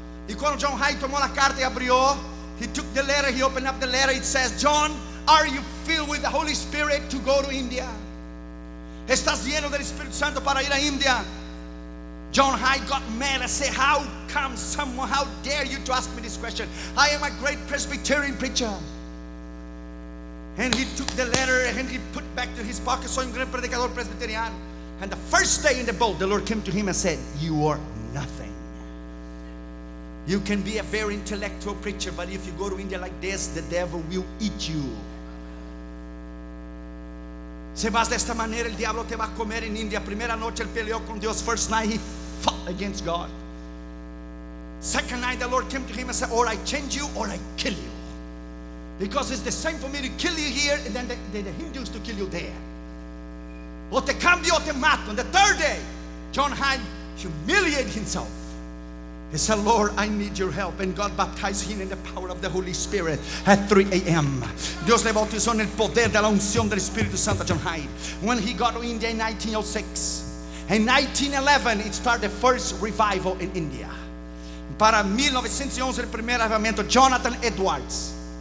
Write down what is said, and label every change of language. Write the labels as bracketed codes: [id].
[es] Y cuando John Hyde tomó la carta y abrió, [en] he took the letter, he opened up the letter, it says, John, are you filled with the Holy Spirit to go to India? [es] ¿Estás lleno del Espíritu Santo para ir a India? [en] John Hyde got mad and said, how come someone, how dare you to ask me this question? I am a great Presbyterian preacher. And he took the letter and he put back to his pocket. [es] Soy un gran predicador presbiteriano. [en] And the first day in the boat, the Lord came to him and said, you are nothing. You can be a very intellectual preacher, but if you go to India like this, the devil will eat you. [es] Se vas de esta manera, el diablo te va a comer en India. Primera noche, él peleó con Dios. [en] First night, he fought against God. Second night, the Lord came to him and said, or I change you, or I kill you. Because it's the same for me to kill you here, and then the Hindus to kill you there. [es] O te cambio, o te mato. [en] The third day, John Hyde humiliated himself. He said, Lord, I need your help. And God baptized him in the power of the Holy Spirit at 3 a.m. [es] Dios le bautizó en el poder de la unción del Espíritu Santo, John Hyde. [en] When he got to India in 1906. In 1911, it started the first revival in India. [es] Para 1911, el primer avivamiento, Jonathan Edwards.